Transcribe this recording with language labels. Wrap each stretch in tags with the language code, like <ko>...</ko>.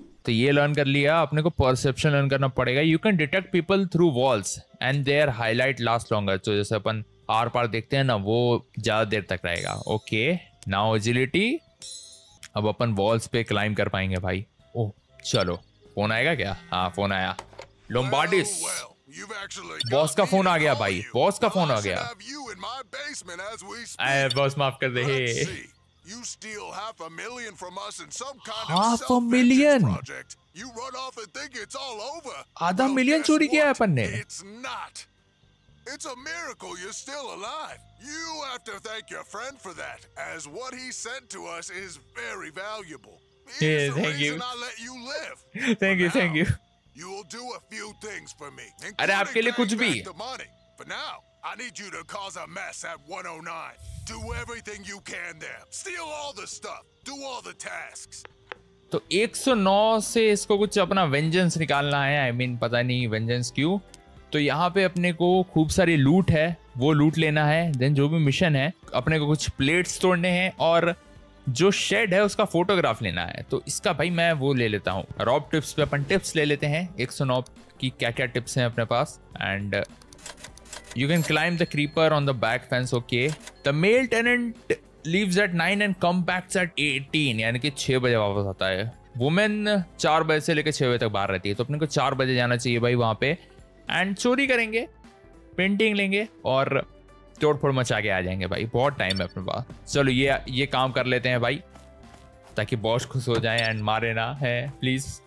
<hi>तो ये लर्न कर लिया, अपने को परसेप्शन लर्न करना पड़ेगा।</hi> <en>you can detect people through walls and their highlight last longer,</en> <hi>तो जैसे अपन आर पार देखते हैं ना वो ज़्यादा देर तक रहेगा।</hi> <en>okay now agility,</en> <hi>अब अपन वॉल्स पे क्लाइम कर पाएंगे भाई। ओ चलो फोन आएगा क्या? हाँ फोन आया, लोम्बार्डिस बॉस का फोन आ गया भाई, बॉस का फोन आ गया। आई बॉस माफ कर दे।</hi> <en>You steal half a million from us in some kind half of self-vengeance project. You run off and think it's all over.</en> <hi>आधा मिलियन चोरी किया अपन ने।</hi> <en>It's not. It's a miracle you're still alive. You have to thank your friend for that, as what he sent to us is very valuable. Yeah, thank you. I let you live. thank you. You will do a few things for me.</en> <hi>अरे आपके लिए कुछ भी।</hi> <en>The money. For now, I need you to cause a mess at 109. Do everything you can there. Steal all the stuff. Do all the tasks.</en> <hi>तो 109 से इसको कुछ अपना वेंजेंस निकालना है। आई मीन पता नहीं वेंजेंस क्यों। तो यहाँ पे अपने को खूब सारी लूट है, वो लूट लेना है। देन जो भी मिशन है, अपने को कुछ प्लेट्स तोड़ने हैं और जो शेड है उसका फोटोग्राफ लेना है। तो इसका भाई मैं वो ले लेता हूँ। रॉब टिप्स पे अपन टिप्स ले लेते हैं, 109 की क्या क्या टिप्स हैं अपने पास। And</hi> <en>You can climb the creeper on the back fence, okay. The male tenant leaves at 9 and comes back at 18,</en> <hi>यानी कि 6 बजे वापस आता है। Woman 4 बजे से लेकर 6 बजे तक बाहर रहती है, तो अपने को 4 बजे जाना चाहिए भाई वहाँ पे। एंड चोरी करेंगे, पेंटिंग लेंगे और तोड़ फोड़ मचा के आ जाएंगे भाई, बहुत टाइम है अपने पास। चलो ये काम कर लेते हैं भाई, ताकि बॉस खुश हो जाए एंड मारे ना है प्लीज़।</hi>